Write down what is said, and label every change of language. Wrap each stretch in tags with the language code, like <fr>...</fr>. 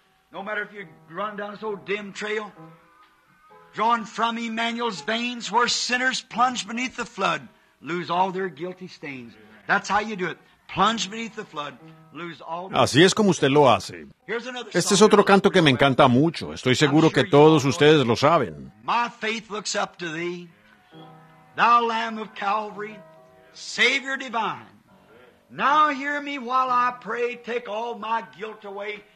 <en>No matter if you run down this old dim trail, drawn from Emmanuel's veins, where sinners plunge beneath the flood, lose all their guilty stains. That's how you do it. Plunge beneath the flood, lose all.</en> <es>Así es como usted lo hace. Este es otro canto que me encanta mucho. Estoy seguro que todos ustedes lo saben.</es> <en>My faith looks up to thee, thou Lamb of Calvary, Savior divine. Now hear me while I pray, take all my guilt away.</en>